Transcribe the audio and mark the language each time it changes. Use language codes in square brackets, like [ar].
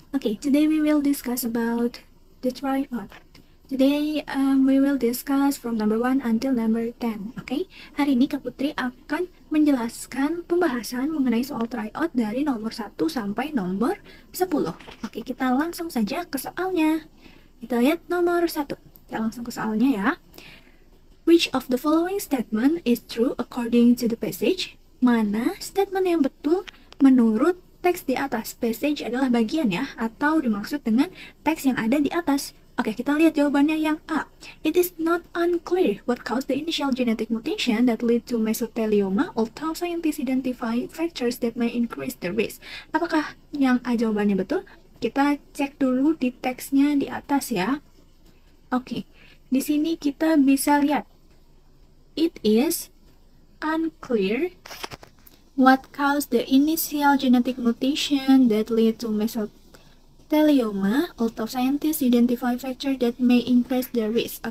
[en] Okay, today we will discuss about the tripod. Today we will discuss from number 1 until number 10. Okay? [id] Hari ini Kak Putri akan menjelaskan pembahasan mengenai soal tryout dari nomor 1 sampai nomor 10. Okay, kita langsung saja ke soalnya. Kita lihat nomor 1. Kita langsung ke soalnya ya. [en] Which of the following statement is true according to the passage? [id] Mana statement yang betul menurut teks di atas? Passage adalah bagian ya, atau dimaksud dengan teks yang ada di atas. Oke, kita lihat jawabannya yang A. [en] It is not unclear what caused the initial genetic mutation that led to mesothelioma, although scientists identify factors that may increase the risk. [id] Apakah yang A jawabannya betul? Kita cek dulu di teksnya di atas ya. Oke. Di sini kita bisa lihat, [en] it is unclear what caused the initial genetic mutation that led to mesothelioma, although scientists identify factor that may increase the risk.